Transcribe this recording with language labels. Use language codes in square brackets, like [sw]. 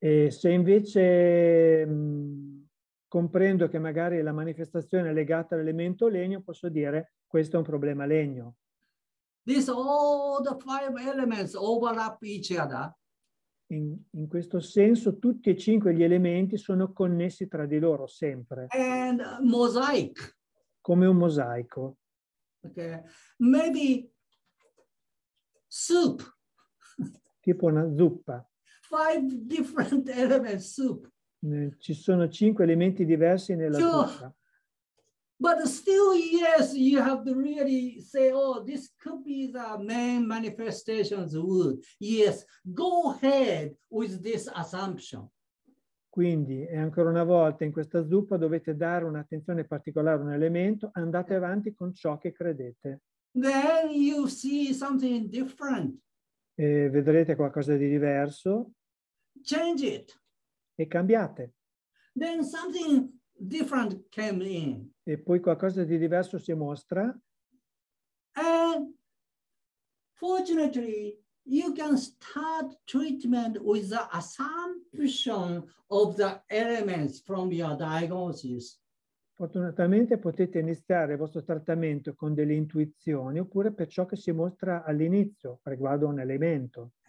[it] se invece comprendo che magari la manifestazione è legata all'elemento legno, posso dire questo è un problema legno. [en] These all the five elements overlap each other. [it] In questo senso tutti e cinque gli elementi sono connessi tra di loro sempre. [en] And mosaic. [it] Come un mosaico. [en] Okay. Maybe soup. [it] Tipo una zuppa. [en] Five different elements soup. [it] Ci sono cinque elementi diversi nella zuppa. [en] But still, yes, you have to really say, oh, this could be the main manifestation's wood. Yes, go ahead with this assumption. [it] Quindi, e ancora una volta, in questa zuppa dovete dare un'attenzione particolare a un elemento, andate avanti con ciò che credete. [en] Then you see something different. [it] E vedrete qualcosa di diverso. [en] Change it. [it] E cambiate. [en] Then something different came in. [it] E poi qualcosa di diverso si mostra. [en] And fortunately, you can start treatment with the assumption of the elements from your diagnosis. [it] Fortunatamente potete iniziare il vostro trattamento con delle intuizioni oppure per ciò che si mostra all'inizio riguardo a un elemento.